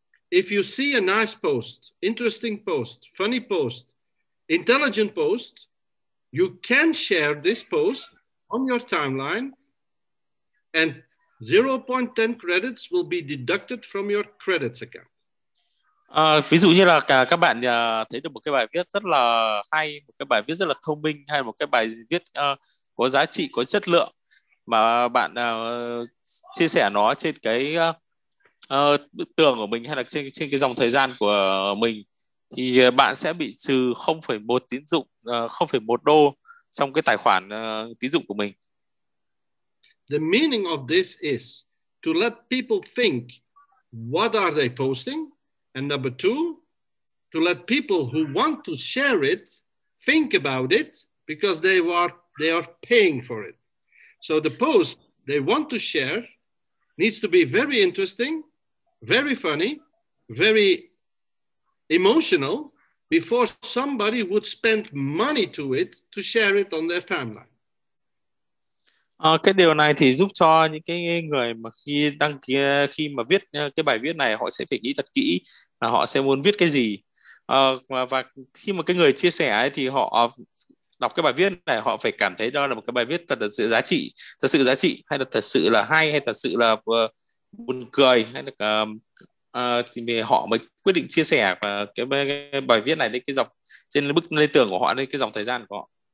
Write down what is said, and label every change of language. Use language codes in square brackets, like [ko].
[en] If you see a nice post, interesting post, funny post, intelligent post, you can share this post on your timeline and 0.10 credits will be deducted from your credits account. [vi] Ví dụ như là các bạn thấy được một cái bài viết rất là hay, một cái bài viết rất là thông minh hay một cái bài viết có giá trị, có chất lượng mà bạn chia sẻ nó trên cái bức tường của mình hay là trên cái dòng thời gian của mình thì bạn sẽ bị trừ 0.1 tín dụng, 0.1 đô trong cái tài khoản tín dụng của mình. [en] The meaning of this is to let people think what are they posting? And number two, to let people who want to share it think about it because they are paying for it. So the post they want to share needs to be very interesting, very funny, very emotional before somebody would spend money to it to share it on their timeline. [vi] Cái điều này thì giúp cho những cái người mà khi đăng ký, khi mà viết cái bài viết này họ sẽ phải nghĩ thật kỹ là họ sẽ muốn viết cái gì. Và khi mà cái người chia sẻ ấy, thì họ đọc cái bài viết này họ phải cảm thấy đó là một cái bài viết thật sự giá trị hay là thật sự là hay hay thật sự là buồn cười hay là thì họ mới quyết định chia sẻ cái bài viết này lên cái dọc trên bức lên tường của họ lên cái dòng thời gian của họ.